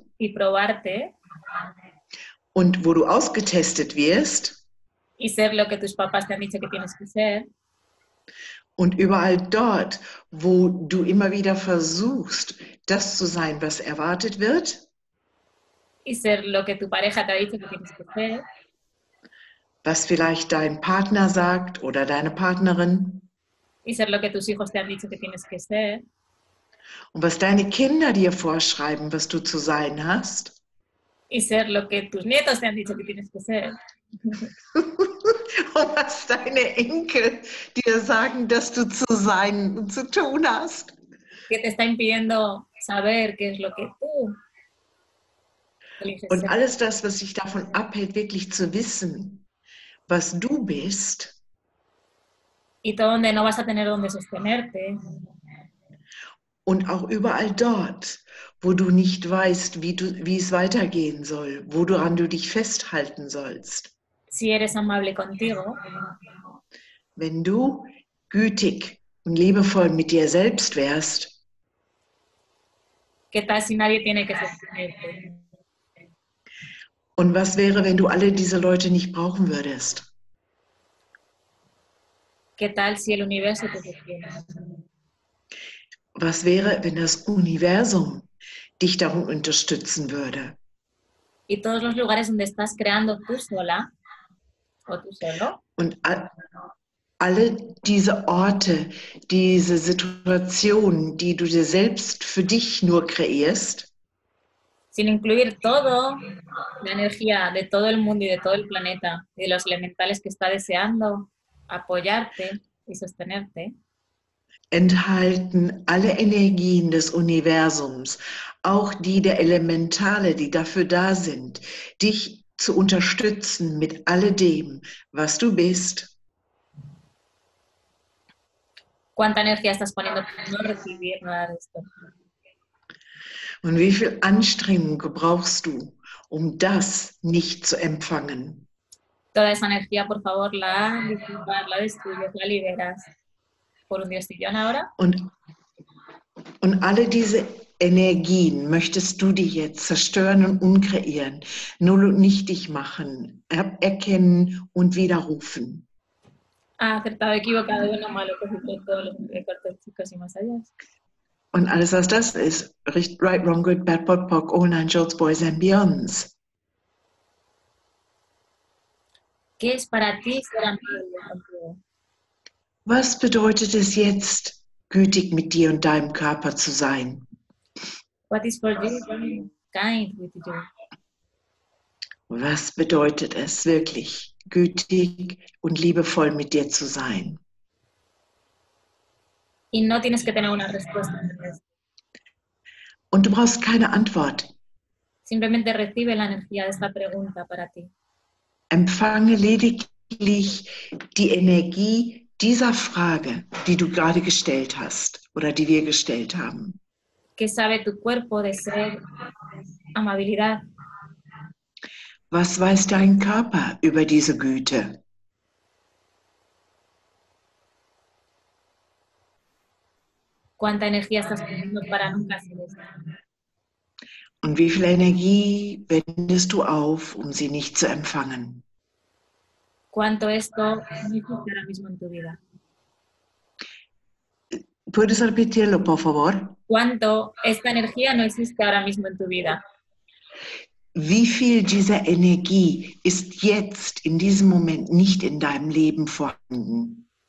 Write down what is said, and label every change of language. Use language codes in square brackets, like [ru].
[es] y probarte, [de] und wo du ausgetestet wirst, [es] y ser lo que tus papás te han dicho que tienes que ser. [de] Und überall dort, wo du immer wieder versuchst, das zu sein, was erwartet wird. [es] Y ser lo que tu pareja te ha dicho que tienes que ser. [de] Was vielleicht dein Partner sagt oder deine Partnerin. [es] Y ser lo que tus hijos te han dicho que tienes que ser. [de] Und was deine Kinder dir vorschreiben, was du zu sein hast. [es] Y ser lo que tus nietos te han dicho que tienes que ser. [de] Und was deine Enkel dir sagen, dass du zu sein und zu tun hast. [es] que te está impidiendo saber qué es lo que tú eliges. [de] Und alles das, was dich davon abhält, wirklich zu wissen, was du bist. [es] Y todo donde no vas a tener donde sostenerte. [de] Und auch überall dort, wo du nicht weißt, wie es weitergehen soll, woran du dich festhalten sollst. [es] Si eres amable contigo. [de] Wenn du gütig und liebevoll mit dir selbst wärst, [es] ¿Qué tal si nadie tiene que sostenerte? [de] Und was wäre, wenn du alle diese Leute nicht brauchen würdest? [es] ¿Qué tal si el universo te sostiene? [de] Was wäre, wenn das Universum dich darum unterstützen würde? [es] Y todos los lugares donde estás creando tú sola, o tú solo. [de] Und alle diese Orte, diese Situationen, die du dir selbst für dich nur kreierst, [es] sin incluir todo, la energía de todo el mundo y de todo el planeta, y de los elementales que está deseando apoyarte y sostenerte, [de] enthalten alle Energien des Universums, auch die der Elementale, die dafür da sind, dich zu unterstützen mit all dem, was du bist. [es] ¿Cuánta energía estás poniendo para no recibir nada de esto? [de] Und wie viel Anstrengung brauchst du, um das nicht zu empfangen? [es] Toda esa energía, por favor, la disculpas, la destruyes, la liberas. [de] Und alle diese Energien möchtest du dir jetzt zerstören und umkreieren, null und nichtig machen, erkennen und widerrufen. [es] Ah, acertado, equivocado, bueno, malo, todos los y más allá. [de] Und alles, was das ist, [en] right, wrong, good, bad, pot, pock, all nine shorts, boys and beyonds. [es] ¿Qué es para ti ser amigo? [de] Was bedeutet es jetzt, gütig mit dir und deinem Körper zu sein? [en] What is for you kind with you? [de] Was bedeutet es wirklich, gütig und liebevoll mit dir zu sein? [es] Y no tienes que tener una respuesta. [de] Und du brauchst keine Antwort. [es] Simplemente recibe la energía de esta pregunta para ti. [de] Empfange lediglich die Energie dieser Frage, die du gerade gestellt hast oder die wir gestellt haben. [es] ¿Qué sabe tu cuerpo de ser amabilidad? [de] Was weiß dein Körper über diese Güte? [es] ¿Cuánta energía estás teniendo para nunca ser eso? [de] Und wie viel Energie wendest du auf, um sie nicht zu empfangen? [es] ¿Cuánto esto significa ahora mismo en tu vida? ¿Puedes repetirlo, por favor? ¿Cuánto esta energía no existe ahora mismo en tu vida? [de] Wie viel dieser Energie ist jetzt in diesem Moment nicht in deinem Leben vorhanden?